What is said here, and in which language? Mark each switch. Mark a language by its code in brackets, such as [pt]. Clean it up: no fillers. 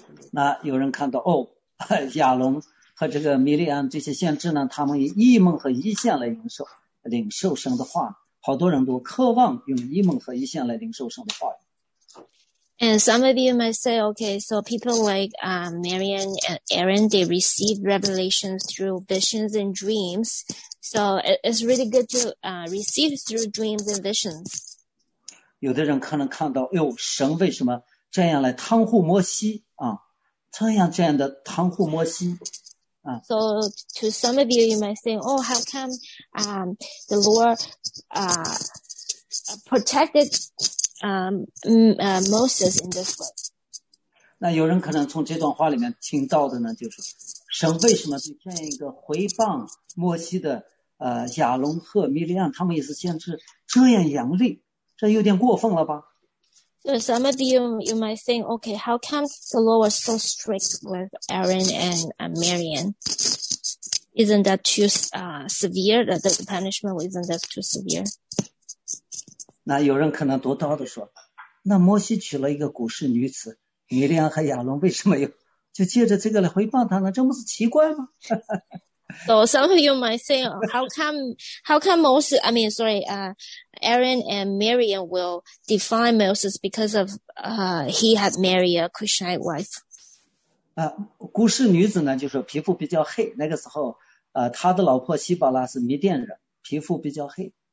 [zh] 那有人看到哦，亚龙和这个米利安这些先知呢，他们以异梦和异象来领受神的话，好多人都渴望用异梦和异象来领受神的话。 [en] And some of you might say, okay, so people like Marian and Aaron, they receive revelations through visions and dreams. So it's really good to receive through dreams and visions. [zh] 有的人可能看到，哎呦，神为什么这样来袒护摩西啊？这样的袒护摩西。 [en] So to some of you, you might think, oh, how come the Lord protected Moses in this way. [zh] 那有人可能从这段话里面听到的呢，就是神为什么对这样一个毁谤摩西的亚龙和米利安，他们也是先知，这样严厉，这有点过分了吧？ [en] So some of you might think, okay, how come the Lord was so strict with Aaron and Miriam? Isn't that too severe? The punishment isn't that too severe? [zh] 那有人可能读到的说，那摩西娶了一个古示女子，米利安和亚伦为什么又就借着这个来回报他呢？这不是奇怪吗？ [en] So some of you might say, how come Moses, I mean, sorry, Aaron and Miriam will defy Moses because of he had married a Cushite wife? [zh] 古示女子呢，就是皮肤比较黑，那个时候他的老婆希巴拉是米甸人，皮肤比较黑。